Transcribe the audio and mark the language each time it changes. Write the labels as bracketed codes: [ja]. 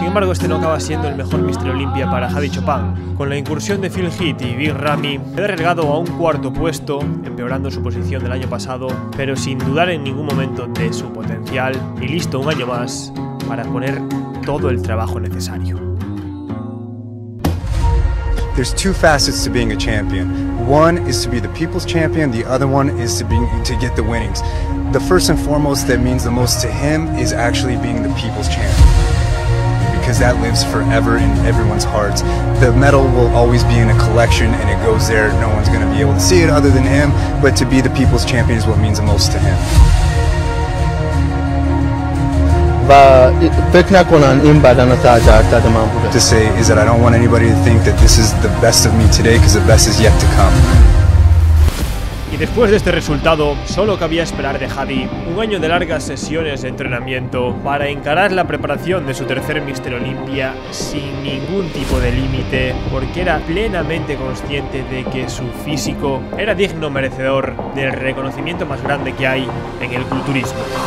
[es] Este no acaba siendo el mejor Mr. Olympia para Hadi Chupin. Con la incursión de Phil Heath y Big Ramy, queda relegado a un cuarto puesto, empeorando su posición del año pasado, pero sin dudar en ningún momento de su potencial, y listo un año más para poner todo el trabajo necesario. [en] There's two facets to being a champion. One is to be the people's champion, the other one is to get the winnings. The first and foremost that means the most to him is actually being the people's champion. Because that lives forever in everyone's hearts. The medal will always be in a collection and it goes there. No one's going to be able to see it other than him, but to be the people's champion is what means the most to him. To say is that I don't want anybody to think that this is the best of me today, because the best is yet to come. [es] Y después de este resultado, solo cabía esperar de Hadi un año de largas sesiones de entrenamiento para encarar la preparación de su tercer Mister Olympia sin ningún tipo de límite, porque era plenamente consciente de que su físico era digno merecedor del reconocimiento más grande que hay en el culturismo.